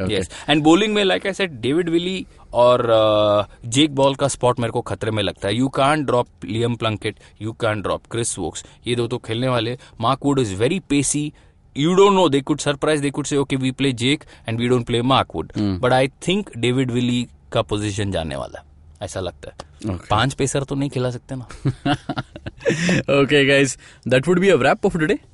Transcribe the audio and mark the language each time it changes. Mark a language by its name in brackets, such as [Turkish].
[English] Yes. And bowling mein, like I said, David Willey or Jake Ball ka spot [Hindi] mereko khatre mein lagta hai. [English] You can't drop Liam Plunkett. You can't drop Chris Wokes. [Hindi] Ye do to khelne wale. [English] Mark Wood is very pacey. You don't know. They could surprise. They could say, okay, we play Jake and we don't play Mark Wood. But I think David Willey [Hindi] ka position jaane wala. ऐसा लगता है पांच pacer तो नहीं खिला सकते ना. [English] Okay guys, that would be a wrap of today.